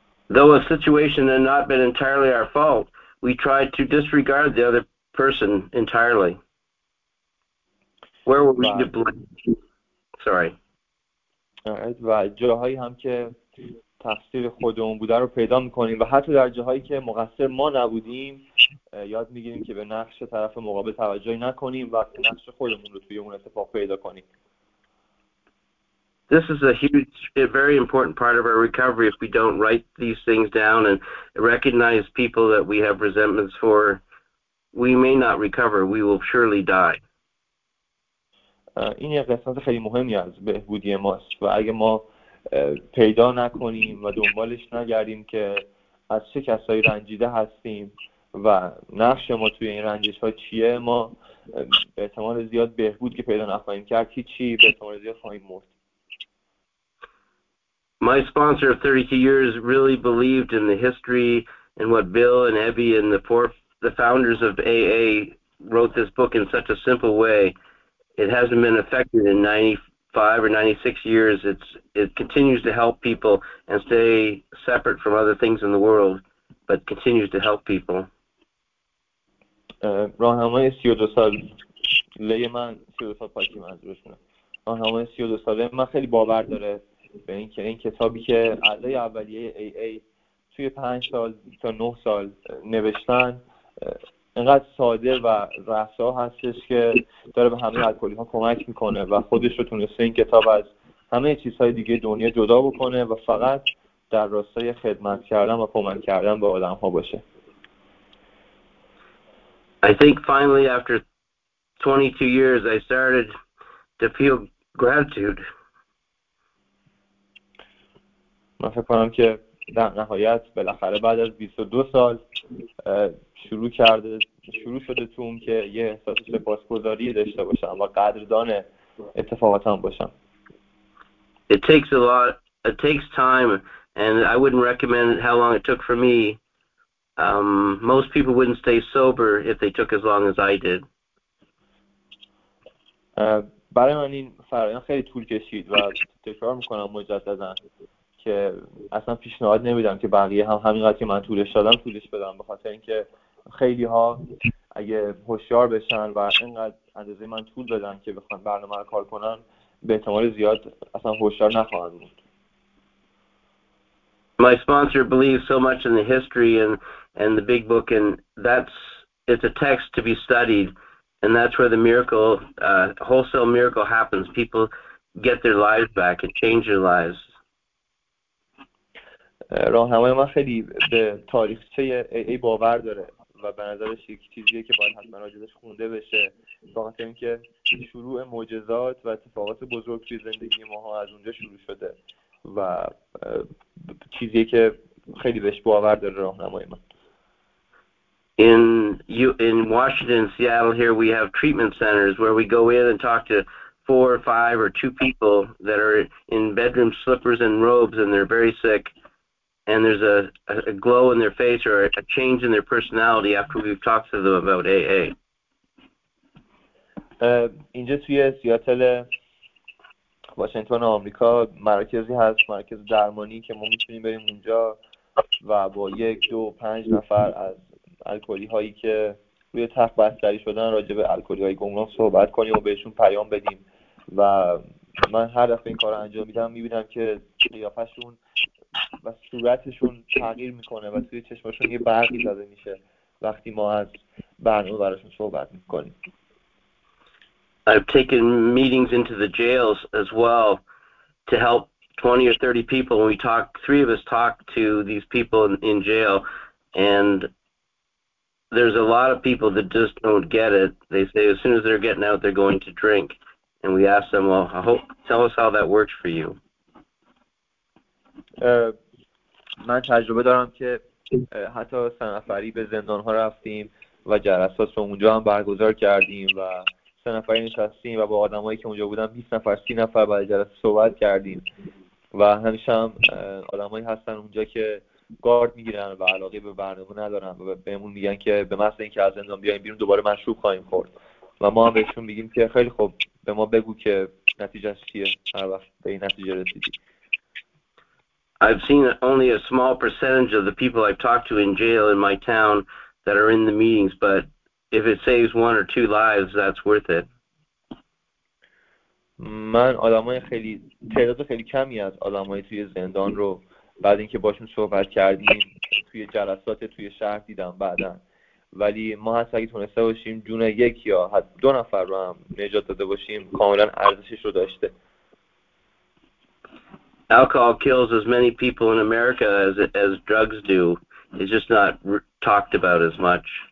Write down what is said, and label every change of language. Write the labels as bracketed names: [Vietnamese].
[English] Though a situation had not been entirely our fault, we tried to disregard the other person entirely. Where were we to blame? Sorry. [Persian] و جاهایی هم که تقصیر خودمون بوده رو پیدا میکنیم و حتی در جاهایی که مقصر ما نبودیم یاد میگیریم که به نقش طرف مقابل توجهی نکنیم و نقش خودمون رو توی اون اتفاق پیدا کنیم. [English] This is a huge, a very important part of our recovery. If we don't write these things down and recognize people that we have resentments for, we may not recover. We will surely die. [Persian] این یه قسمت خیلی مهمی از بهبودی ماست و اگه ما پیدا نکنیم و دنبالش نگردیم که از چه کسایی رنجیده هستیم و نقش ما توی این رنجش ها چیه، ما به احتمال زیاد بهبود که پیدا نخواهیم کرد هیچی، به احتمال زیاد خواهیم مرد. [English] My sponsor of 32 years really believed in the history and what Bill and Abby and the founders of AA wrote this book in such a simple way. It hasn't been affected in 95 or 96 years. It continues to help people and stay separate from other things in the world, but continues to help people. [Persian] راهنمای 32 ساله من، 32 سال پاکی من از روشنه. راهنمای 32 ساله من خیلی باور داره به اینکه این کتابی که اعضای اولیه AA توی 5 سال تا 9 سال نوشتن، اینقدر ساده و رسا هستش که داره به همه الکلی‌ها کمک میکنه و خودش رو تونسته این کتاب از همه چیزهای دیگه دنیا جدا بکنه و فقط در راستای خدمت کردن و کمک کردن به آدم‌ها باشه. [English] I think finally after 22 years I started to feel gratitude. [Persian] من فکر کنم که در نهایت بالاخره بعد از 22 سال شروع شده تو اون که یه احساس سپاسگزاری داشته باشم و قدردان اتفاقاتم باشم. [English] It takes time and I wouldn't recommend how long it took for me. Most people wouldn't stay sober if they took as long as I did. [Persian] برای من این فرآیند خیلی طول کشید و تکرار میکنم مجدداً که اصلا پیشنهاد نمیدم که بقیه هم همینقدر که من طولش دادم طولش بدم، بخاطر اینکه خیلی ها اگه هوشیار بشن و اینقدر اندازه من طول بدن که بخوان برنامه رو کار کنن، به احتمال زیاد اصلا هوشیار نخواهند بود. [English] My sponsor believes so much in the history and the big book, and it's a text to be studied, and that's where the miracle, wholesale miracle happens. People get their lives back and change their lives. [Persian] راهنمای من خیلی به تاریخچه AA باور داره و به نظرش یک چیزیه که باید حتما راجعش خونده بشه، فقط اینکه شروع معجزات و اتفاقات بزرگ توی زندگی ما ها از اونجا شروع شده و چیزیه که خیلی بهش باور داره راهنمای من. [English] In Washington, Seattle here we have treatment centers where we go in and talk to 4 or 5 or 2 people that are in bedroom slippers and robes and they're very sick. And there's a glow in their face or a change in their personality after we've talked to them about AA. [Persian] اینجا توی سیاتل واشنگتن آمریکا مرکزی هست، مرکز درمانی که ما میتونیم بریم اونجا و با 1, 2, 5 نفر از الکلی هایی که روی تخت بستری شدن راجع به الکلی های گمنام صحبت کنیم و بهشون پیام بدیم و من هر دفعه این کار رو انجام میدم میبینم که قیافشون و صورتشون تغییر میکنه و توی چشمشون یه برقی زده میشه وقتی ما از برنامه براشون صحبت میکنیم. [English] I've taken meetings into the jails as well to help 20 or 30 people. We talk, 3 of us talk to these people in jail, and there's a lot of people that just don't get it. They say as soon as they're getting out, they're going to drink. And we ask them, well, I hope, tell us how that works for you. [Persian] من تجربه دارم که حتی سه نفری به زندان ها رفتیم و جلسات رو اونجا هم برگزار کردیم و سه نفری نشستیم و با آدم هایی که اونجا بودن 20 نفر 30 نفر بعد جلسه صحبت کردیم و همیشه هم آدم هایی هستن اونجا که گارد میگیرن و علاقه به برنامه ندارن و بهمون میگن که به محض اینکه از زندان بیایم بیرون دوباره مشروب خواهیم خورد و ما هم بهشون میگیم که خیلی خوب به ما بگو که نتیجه چیه هر وقت به این نتیجه رسیدی. [English] I've seen only a small percentage of the people I've talked to in jail in my town that are in the meetings, but if it saves 1 or 2 lives, that's worth it. [Persian] من آدمای خیلی تعداد خیلی کمی از آدمای توی زندان رو بعد اینکه باشون صحبت کردیم توی جلسات توی شهر دیدم بعدن، ولی ما حتی اگه تونسته باشیم جون یک یا حتی 2 نفر رو هم نجات داده باشیم کاملا ارزشش رو داشته. [English] Alcohol kills as many people in America as drugs do. It's just not talked about as much.